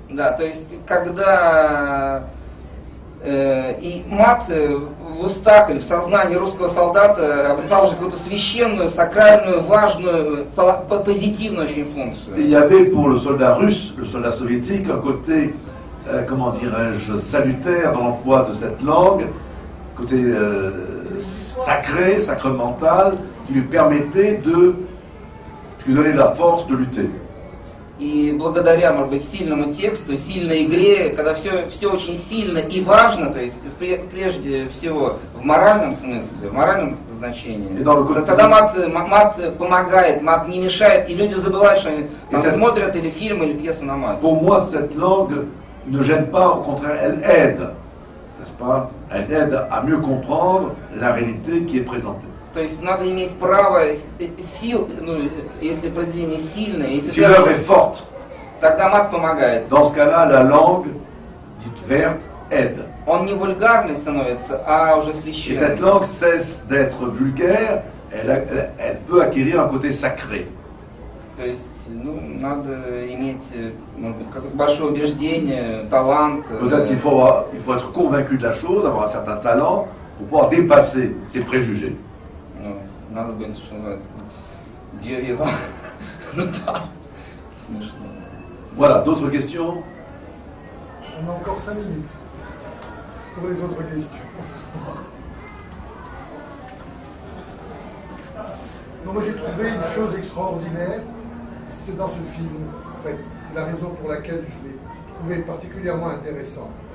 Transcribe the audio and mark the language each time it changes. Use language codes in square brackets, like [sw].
[ru] Да, то есть, когда и мат в устах или в сознании русского солдата обретал уже какую-то священную, сакральную, важную, позитивную очень функцию. [fr] Il y avait pour le soldat russe, le soldat soviétique, un côté, comment dirais-je, salutaire dans l'emploi de cette langue, côté sacré, sacramental, qui lui permettait de lui donner la force de lutter. [ru] И благодаря, может быть, сильному тексту, сильной игре, когда все очень сильно и важно, то есть прежде всего в моральном смысле, в моральном значении, тогда мат помогает, мат не мешает, и люди забывают, что они там смотрят или фильм, или пьесу на мат. [fr] Pour moi, cette langue ne gêne pas, au contraire, elle aide, n'est-ce pas? Elle aide à mieux comprendre la réalité qui est présentée. [ru] То есть надо иметь право сил, ну, если произведение сильное, если [fr] si l'œuvre est forte, [ru] тогда мат помогает. [fr] Dans ce cas-là, la langue dite verte aide. [ru] Он не вульгарный становится, а уже священный. [fr] Et cette langue cesse d'être vulgaire, elle peut acquérir un côté sacré. [ru] То есть, ну, надо иметь, может быть, большое убеждение, талант. [fr] Peut-être qu'il faut être convaincu de la chose, avoir un certain talent pour pouvoir dépasser ses préjugés. [ru] Надо быть, что называется, дьявола. Ну да, смешно. [fr] Voilà, d'autres questions? On a encore 5 minutes pour les autres questions. Non, moi j'ai trouvé une chose extraordinaire, c'est dans ce film, en fait, c'est la raison pour laquelle je l'ai trouvé particulièrement intéressant.